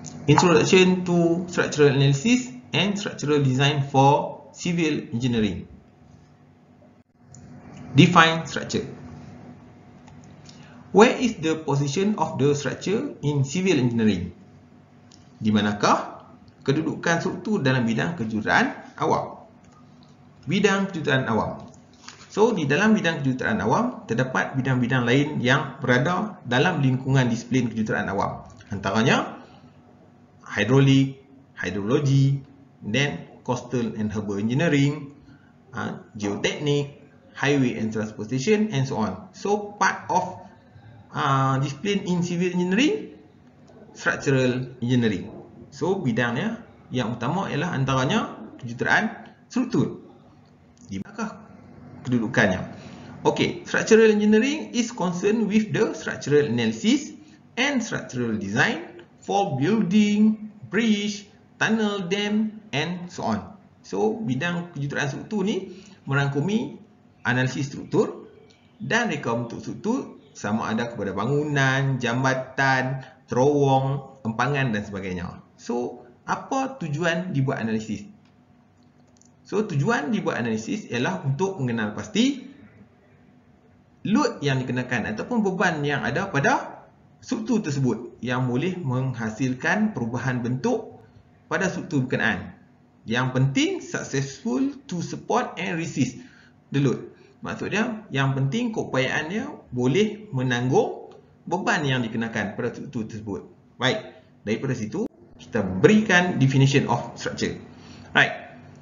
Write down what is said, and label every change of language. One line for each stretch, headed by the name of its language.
English: Introduction to structural analysis and structural design for civil engineering. Define structure. Where is the position of the structure in civil engineering?
Malay: Di manakah kedudukan struktur dalam bidang kejuruteraan awam? Bidang kejuruteraan awam. So, di dalam bidang kejuruteraan awam, terdapat bidang-bidang lain yang berada dalam lingkungan disiplin kejuruteraan awam.
English: Antaranya, hidrolik, hidrologi, then coastal and harbour engineering, geoteknik, highway and transportation, and so on. So, part of disiplin in civil engineering, structural engineering.
Malay: So, bidangnya yang utama ialah antaranya kejuruteraan struktur. Di belakang kedudukannya.
English: Okay, structural engineering is concerned with the structural analysis and structural design for building, bridge, tunnel, dam and so on.
Malay: So, bidang kejuruteraan struktur ni merangkumi analisis struktur dan reka bentuk struktur sama ada kepada bangunan, jambatan, terowong, empangan dan sebagainya. So, apa tujuan dibuat analisis? So, tujuan dibuat analisis ialah untuk mengenal pasti load yang dikenakan ataupun beban yang ada pada struktur tersebut yang boleh menghasilkan perubahan bentuk pada struktur berkenaan.
English: Yang penting, successful to support and resist the load.
Malay: Maksudnya, yang penting keupayaannya boleh menanggung beban yang dikenakan pada struktur tersebut. Baik, daripada situ, kita berikan
English: definition of structure.
Malay: Right.